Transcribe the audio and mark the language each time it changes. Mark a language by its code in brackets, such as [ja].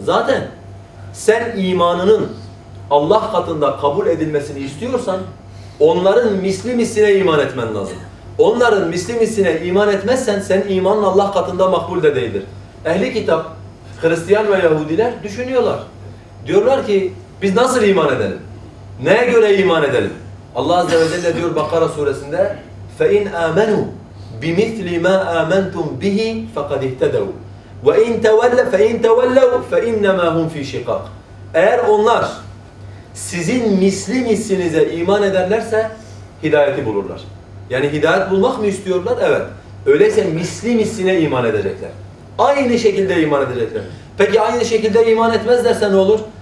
[tr] Zaten sen imanının Allah katında kabul edilmesini istiyorsan onların misli misline iman etmen lazım. Onların misli misline iman etmezsen sen imanın Allah katında makbul de değildir. Ehli kitap, Hristiyan ve Yahudiler düşünüyorlar. Diyorlar ki biz nasıl iman edelim? Neye göre iman edelim? Allah azze ve celle diyor Bakara suresinde [ar] فَاِنْ آمَنُوا بِمِثْلِ مَا آمَنْتُمْ بِهِ فَقَدْ اِهْتَدَوُوا وَاِنْ تَوَلَّ فَاِنْ تَوَلَّوْا فَاِنَّمَا هُمْ فِي شِقَاقٍ. [tr] Eğer onlar sizin misli mislinize iman ederlerse hidayeti bulurlar. Yani hidayet bulmak mı istiyorlar? Evet. Öyleyse misli misline iman edecekler. Aynı şekilde iman edecekler. Peki aynı şekilde iman etmezlerse ne olur?